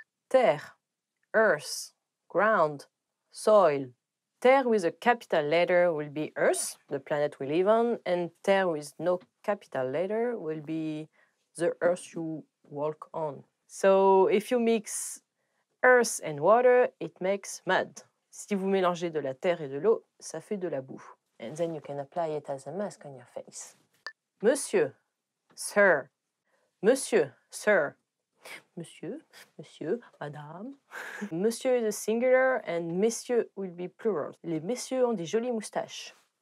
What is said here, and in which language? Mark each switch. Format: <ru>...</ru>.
<en>Terre. Earth. Ground. Soil. Terre with a capital letter will be Earth, the planet we live on, and terre with no capital letter will be the Earth you walk on. So if you mix Earth and water, it makes mud.</en> <fr>Si vous mélangez de la terre et de l'eau, ça fait de la boue.</fr> <en>And then you can apply it as a mask on your face. Monsieur. Sir. Monsieur, sir. Monsieur, monsieur, madame. Monsieur is a singular and messieurs will be plural.</en> <fr>Les messieurs ont des jolies moustaches.</fr>